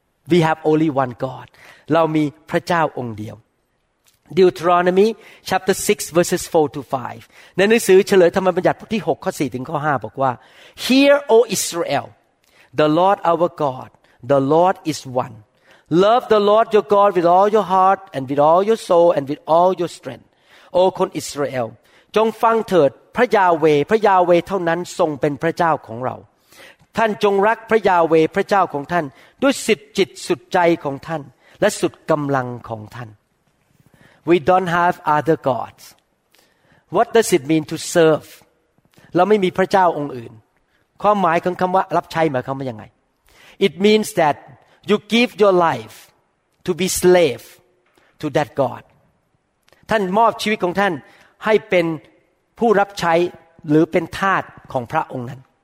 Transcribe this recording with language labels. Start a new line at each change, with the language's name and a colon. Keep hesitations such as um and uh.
English: we have only one God
Thai: เรามีพระเจ้าองค์เดียว
English: Deuteronomy chapter 6 verses 4 to 5
Thai: ในหนังสือเฉลยธรรมบัญญัติบทที่ 6 ข้อ 4 ถึงข้อ 5 บอกว่า
English: Hear O Israel the Lord our God, the Lord is one. Love the Lord your God with all your heart and with all your soul and with all your strength.
Thai: to โอ้คนอิสราเอลจงฟังเถิดพระยาเวพระยาเวเท่านั้นทรงเป็นพระเจ้าของเราท่านจงรักพระยาเวพระเจ้าของท่านด้วยสิทธิจิตสุดใจของท่านและสุดกำลังของท่าน
English: We don't have other gods What does it mean to serve
Thai: เราไม่มีพระเจ้าองค์อื่นความหมายของคำว่ารับใช้หมายความว่ายังไง
English: it means that you give your life to be slave to that God
Thai: ท่านมอบชีวิตของท่านให้เป็นผู้รับใช้หรือเป็นทาสของพระองค์นั้น